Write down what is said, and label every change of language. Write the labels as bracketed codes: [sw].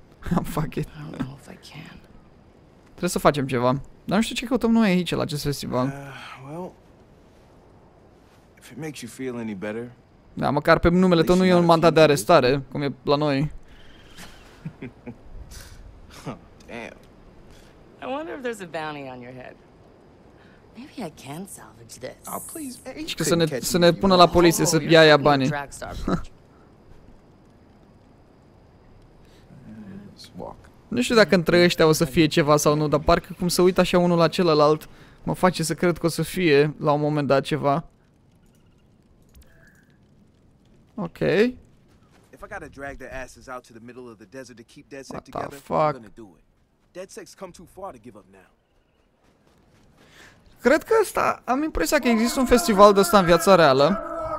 [en] Unfuck it. I don't know if I can. [ro] Trebuie să facem ceva. Dar nu știu ce căutăm noi aici la acest festival. [en] If it makes you feel any better. [ro] Da, măcar pe numele tău nu e un mandat de arestare, cum e la noi. [en] Damn. I wonder if there's a bounty on your head. Maybe I can salvage this. Oh, please. [ro] Că să ne pună la poliție să ia banii. [en] Let's walk. [ro] Nu știu dacă între ăștia o să fie ceva sau nu, dar parcă cum se uită așa unul la celălalt, mă face să cred că o să fie la un moment dat ceva. [en] Okay. If I gotta drag their asses out to the middle of the desert to keep DedSec together, fuck? I'm gonna do it. DedSec's come too far to give up now. [ro] Cred că asta, am impresia că există un festival de ăsta în viața reală.